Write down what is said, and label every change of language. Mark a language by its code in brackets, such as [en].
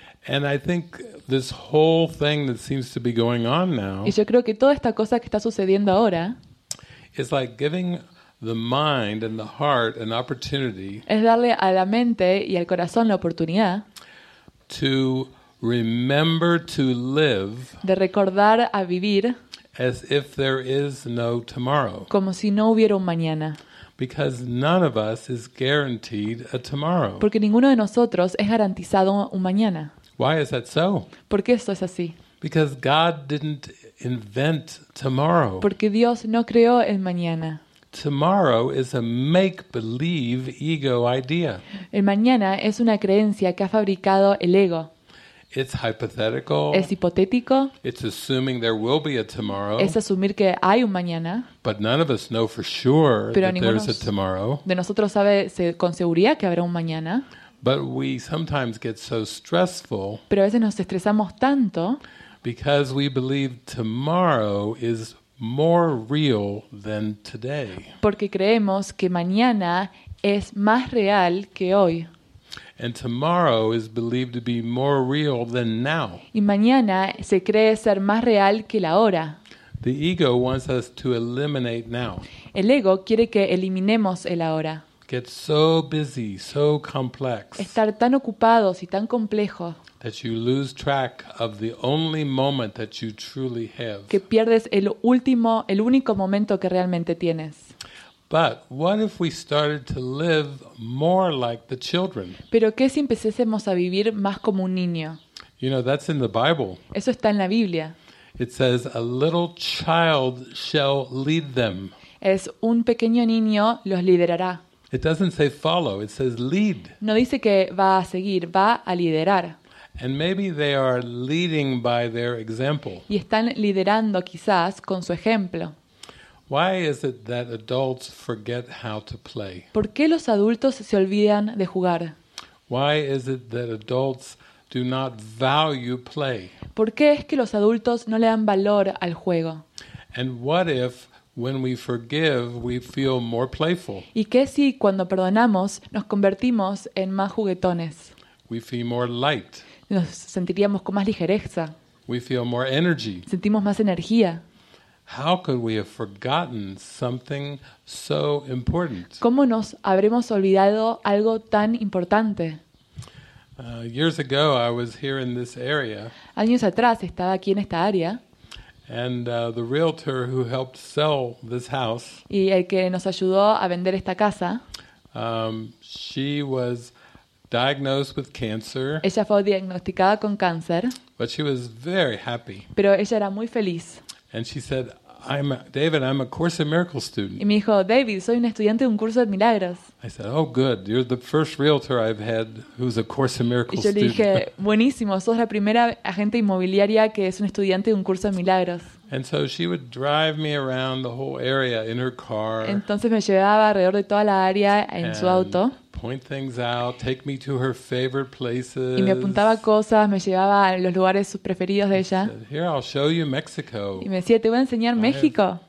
[en] And I think this whole thing that seems to be going on now. [es] Y yo creo que toda esta cosa que está sucediendo ahora. [en] Is like giving the mind and the heart an opportunity. [es] Es darle a la mente y al corazón la oportunidad. [en] To remember to live. [es] De recordar a vivir. [en] As if there is no tomorrow. [es] Como si no hubiera un mañana. [en] Because none of us is guaranteed a tomorrow. [es] Porque ninguno de nosotros es garantizado un mañana. [en] Why is that so? [es] ¿Por qué esto es así? [en] Because God didn't invent tomorrow. [es] Porque Dios no creó el mañana. [en] Tomorrow is a make-believe ego idea. [es] El mañana es una creencia que ha fabricado el ego. [en] It's hypothetical. [es] Es hipotético. [en] It's assuming there will be a tomorrow. [es] Es asumir que hay un mañana. [en] But none of us know for sure [es] Pero [en] that there's a tomorrow. [es] De nosotros sabe con seguridad que habrá un mañana. [en] But we sometimes get so stressful. [es] Pero a veces nos estresamos tanto. [en] Because we believe tomorrow is more real than today. [es] Porque creemos que mañana es más real que hoy. [en] And tomorrow is believed to be more real than now. [es] Y mañana se cree ser más real que la hora. [en] The ego wants us to eliminate now. [es] El ego quiere que eliminemos el ahora. [en] Get so busy, so complex. [es] Estar tan ocupados y tan complejo. [en] That you lose track of the only moment that you truly have. [es] Que pierdes el único momento que realmente tienes. [en] But what if we started to live more like the children? [es] Pero ¿qué si empezásemos a vivir más como un niño? [en] You know, that's in the Bible. [es] Eso está en la Biblia. [en] It says a little child shall lead them. [es] Es un pequeño niño los liderará. [en] It doesn't say follow, it says lead. [es] No dice que va a seguir, va a liderar. [en] And maybe they are leading by their example. [es] Y están liderando quizás con su ejemplo. [en] Why is it that adults forget how to play? [es] ¿Por qué los adultos se olvidan de jugar? [en] Why is it that adults do not value play? [es] ¿Por qué es que los adultos no le dan valor al juego? [en] And what if when we forgive, we feel more playful? [es] ¿Y qué si cuando perdonamos nos convertimos en más juguetones? [en] We feel more light. [es] Nos sentiríamos con más ligereza. [en] We feel more energy. [es] Sentimos más energía. [en] How could we have forgotten something so important? [es] ¿Cómo nos habremos olvidado algo tan importante? [en] Years ago, I was here in this area. [es] Años atrás estaba aquí en esta área. [en] And the realtor who helped sell this house. [es] Y el que nos ayudó a vender esta casa. [en] She was diagnosed with cancer. [es] Ella fue diagnosticada con cáncer. [en] But she was very happy. [es] Pero ella era muy feliz. [en] And she said, I'm a Course in Miracles student. [es] Y me dijo, David, soy un estudiante de un curso de milagros. [en] I said, oh, good. You're the first realtor I've had who's a Course in Miracles student. [es] Y yo le dije, buenísimo. Sos la primera agente inmobiliaria que es un estudiante de un curso de milagros. [en] And so she would drive me around the whole area in her car. [es] Entonces me llevaba alrededor de toda la área en su auto. [en] Point things out, take me to her favorite places. [es] Y me apuntaba cosas, me llevaba a los lugares preferidos de ella. [en] Here I'll show you Mexico. [es] Y me decía, te voy a enseñar México.